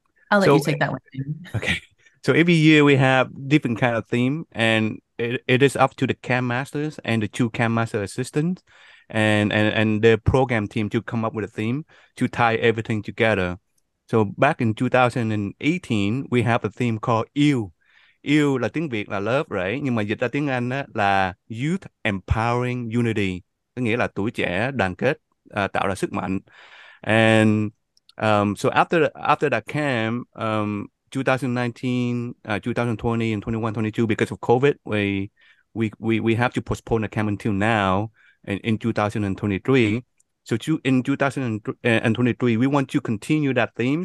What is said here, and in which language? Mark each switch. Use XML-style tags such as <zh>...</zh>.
<en>I'll let you take that one. Okay. So every year we have different kind of theme, and it is up to the camp masters and the two camp master assistants and the program team to come up with a theme to tie everything together. So back in 2018, we have a theme called Yêu.</en> <vi>Yêu là tiếng Việt là love, right? Nhưng mà dịch ra tiếng Anh á, là Youth Empowering Unity. Có nghĩa là tuổi trẻ đoàn kết, tạo ra sức mạnh.</vi> <en>And so after that camp, 2019, 2020, and 21, 22, because of COVID, we have to postpone the camp until now in 2023. So in 2023, we want to continue that theme.</en>